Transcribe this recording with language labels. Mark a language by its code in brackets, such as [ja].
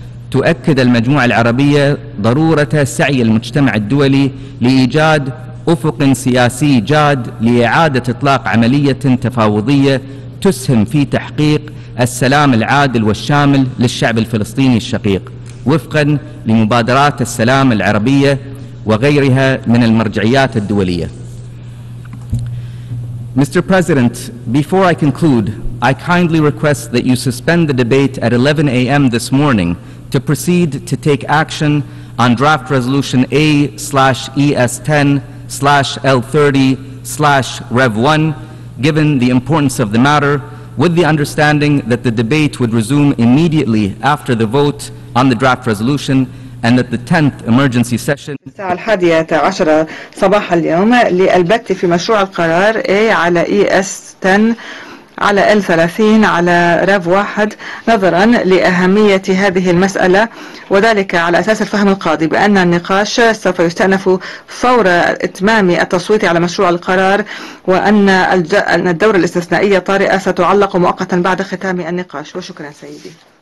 [ar] تؤكد المجموعة العربية ضرورة سعي المجتمع الدولي لإيجاد أفق سياسي جاد لإعادة إطلاق عملية تفاوضية تسهم في تحقيق السلام العادل والشامل للشعب الفلسطيني الشقيق وفقاً لمبادرات السلام العربية وغيرها من المرجعيات الدولية. [en] Mr. President, before I conclude, I kindly request that you suspend the debate at 11 a.m. this morning to proceed to take action on draft resolution A/ES10/L30/Rev1, given the importance of the matter, with the understanding that the debate would resume immediately after the vote on the draft resolution and that the 10th emergency session [ar] الساعة 11 صباح اليوم للبت في مشروع القرار A على ES 10 على L30 على RAV 1 نظرا لأهمية هذه المسألة وذلك على أساس الفهم القاضي بأن النقاش سوف يستأنف فور إتمام التصويت على مشروع القرار وأن الدورة الاستثنائية الطارئة ستعلق مؤقتا بعد ختام النقاش وشكرا سيدي